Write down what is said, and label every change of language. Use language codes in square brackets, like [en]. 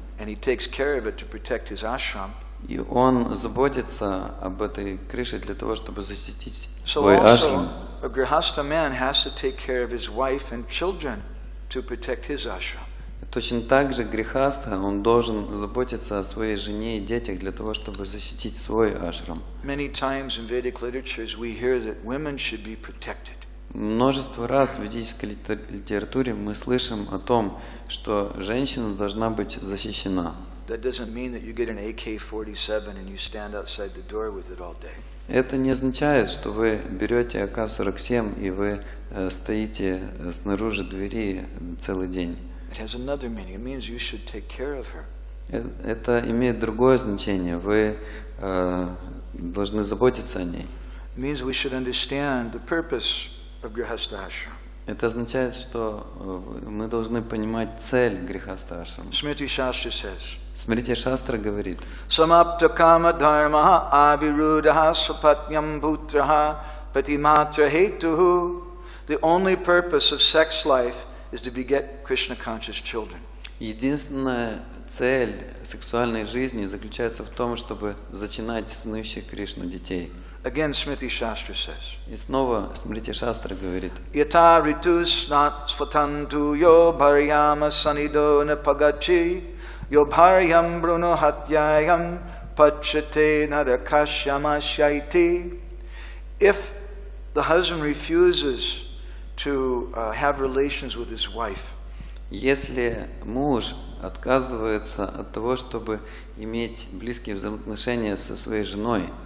[en] And he takes care of it to protect his ashram. [ru] И он заботится об этой крыше для того, чтобы защитить свой ашрам. [en] A grihastha man has to take care of his wife and children to protect his ashram. [ru] Точно так же грихастха, он должен заботиться о своей жене и детях для того, чтобы защитить свой ашрам. [en] Many times in Vedic literatures we hear that women should be protected. [ru] Множество раз в ведической литературе мы слышим о том, что женщина должна быть защищена. [en] That doesn't mean that you get an AK-47 and you stand outside the door with it all day. [ru] Это не означает, что вы берете АК-47 и вы стоите снаружи двери целый день. [en] It has another meaning. It means you should take care of her. [ru] Это имеет другое значение. Вы должны заботиться о ней. [en] It means we should understand the purpose of Grihastha Ashram. [ru] Это означает, что мы должны понимать цель Грихастха Ашрама. [en] Smriti Shastra says. [ru] Смотрите, Шастра говорит. [sa] Samapta kama dharma avirudha sapatyam bhutraha patimatra hetuhu. [en] The only purpose of sex life is to beget Krishna conscious children. [ru] Единственная цель сексуальной жизни заключается в том, чтобы зачинать знающих Кришну детей. [en] Again, Smriti Shastra says. [ru] И снова Смрити Шастра говорит. [sa] Yata ritus nat svatantu yo bharyama sanido napagachi yo bharyam bruno hatyayam pachate narakashyama shaiti. [en] If the husband refuses to have relations with his wife, [ru] если муж отказывается от того, чтобы иметь близкие взаимоотношения со своей женой,